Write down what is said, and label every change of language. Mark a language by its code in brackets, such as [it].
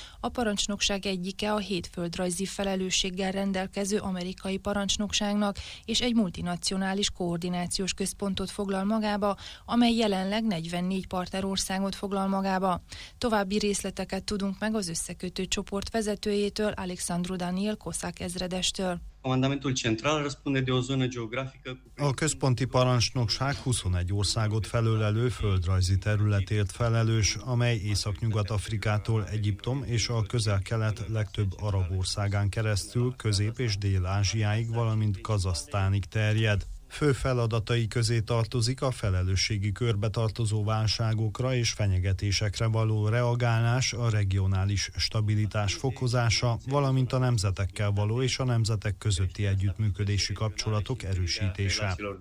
[hu] A parancsnokság egyike a hét földrajzi felelősséggel rendelkező amerikai parancsnokságnak, és egy multinacionális koordinációs központot foglal magába, amely jelenleg 44 partnerországot foglal magába. További részleteket tudunk meg az összekötő csoport vezetőjétől, Alexandru Daniel Kosszák ezredestől. [ro] Comandamentul central răspunde de o zonă geografică. [hu] A központi parancsnokság 21 országot felölelő földrajzi területért felelős, amely Észak-Nyugat-Afrikától Egyiptom és a Közel-Kelet legtöbb arab országán keresztül Közép- és Dél-Ázsiáig, valamint Kazasztánig terjed. Fő feladatai közé tartozik a felelősségi körbe tartozó válságokra és fenyegetésekre való reagálás, a regionális stabilitás fokozása, valamint a nemzetekkel való és a nemzetek közötti együttműködési kapcsolatok erősítése.